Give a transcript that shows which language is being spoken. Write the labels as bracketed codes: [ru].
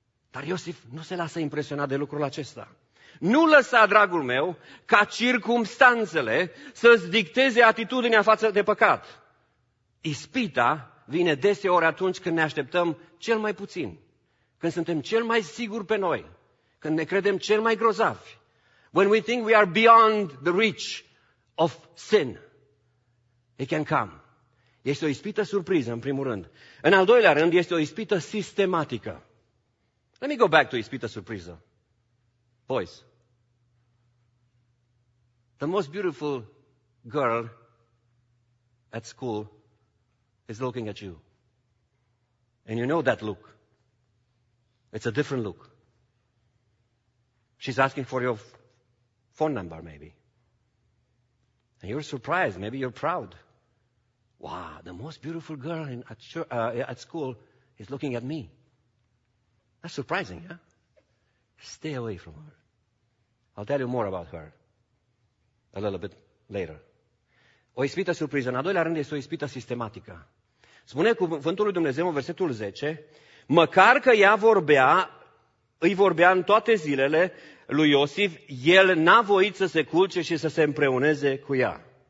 [ro] Dar Iosif nu se lasă impresionat de lucrul acesta. Nu lăsa, dragul meu, ca circumstanțele să-ți dicteze atitudinea față de păcat. Ispita vine deseori atunci când ne așteptăm cel mai puțin, când suntem cel mai siguri pe noi, când ne credem cel mai grozavi. [en] When we think we are beyond the reach of sin. It can come. [ro] Este o ispită surpriză, în primul rând. În al doilea rând, este o ispită sistematică. [en] Let me go back to [ro] ispită surpriză. [en] Boys. The most beautiful girl at school is looking at you. And you know that look. It's a different look. She's asking for your phone number, maybe. And you're surprised. Maybe you're proud. Wow, the most beautiful girl at school is looking at me. That's surprising, yeah? Stay away from her. I'll tell you more about her a little bit later. [ro] O ispită surpriză. În al doilea rând este o ispită sistematică. Spune cuvântul lui Dumnezeu în versetul 10, măcar că ea vorbea, îi vorbea în toate zilele lui Iosif, el n-a voit să se culce și să se împreuneze cu ea.